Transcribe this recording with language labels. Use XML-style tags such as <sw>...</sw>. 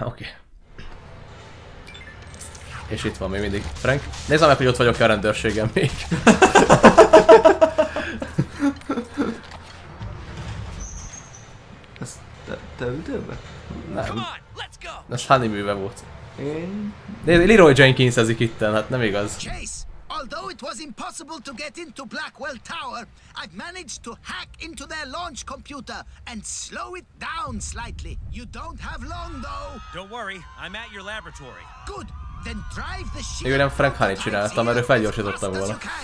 <hu>Okay. És itt van még mindig Frank. Nézzem meg, hogy ott vagyok a rendőrségem még. Ez te ültél be? Nem. Ez Honey műve volt. Én... Leroy Jenkins ezik itten, hát nem igaz.</hu> <en>Chase, although it was impossible to get into Blackwell Tower, I've managed to hack into their launch computer and slow it down slightly. You don't have long though. Don't worry, I'm at your laboratory. Good. Then drive the ship.</en> <hu>Én nem Frank Honey csináltam, mert ő felgyorsította volna.</hu>